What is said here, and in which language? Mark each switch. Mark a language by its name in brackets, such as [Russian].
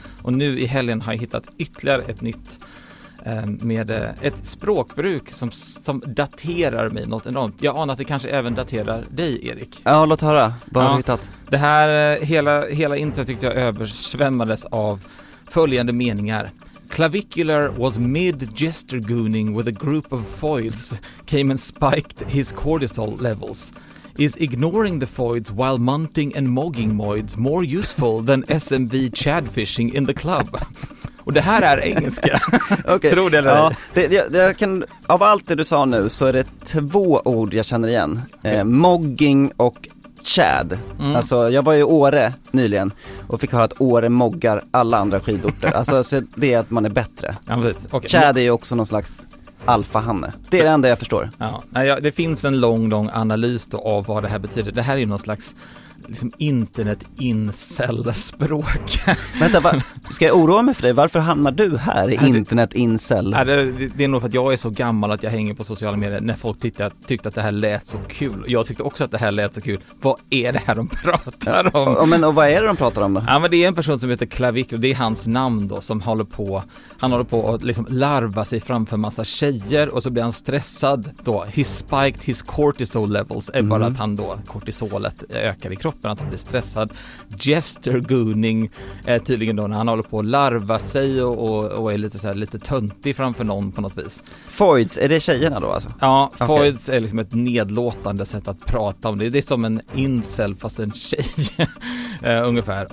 [Swedish] Och nu i helgen har jag hittat ytterligare ett nytt med ett språkbruk som daterar mig något enormt. Jag anar att det kanske även daterar dig, Erik. Ja, låt höra. Vad har du hittat? Det här hela internet tyckte jag översvämmades av följande meningar. [English] Clavicular was mid jester gooning with a group of foids came and spiked his cortisol levels. Is ignoring the foids while munting and mogging moids more useful than SMV chad fishing in the club? [Swedish] Och det här är engelska. Okay. Tror du eller ej? Ja, av allt det du sa nu så är det två ord jag känner igen. Mogging och chad. Mm. Alltså jag var ju i Åre nyligen och fick höra att Åre moggar alla andra skidorter. Alltså så det är att man är bättre. Ja, precis. Okay. Chad är ju också någon slags alfahanne. Det är det enda jag förstår. Ja, det finns en lång analys då av vad det här betyder. Det här är ju någon slags liksom internet-incel-språk. Vänta, ska jag oroa mig för dig? Varför hamnar du här i internet-incel? Det är nog för att jag är så gammal att jag hänger på sociala medier när folk tyckte att det här lät så kul. Jag tyckte också att det här lät så kul. Vad är det här de pratar om? Ja, och vad är det de pratar om då? Ja, men det är en person som heter Klavik, och det är hans namn då, som håller på att liksom larva sig framför massa tjejer, och så blir han stressad då. [English] He spiked his cortisol levels. [Swedish] Är bara att han då, kortisolet ökar i kroppen, att han blir stressad. Jester gooning är tydligen då när han håller på att larva sig och är lite, så här, lite töntig framför någon på något vis. Foids, är det tjejerna då? Alltså? Ja, okay. Foids är liksom ett nedlåtande sätt att prata om det. Det är som en incel fast en tjej ungefär.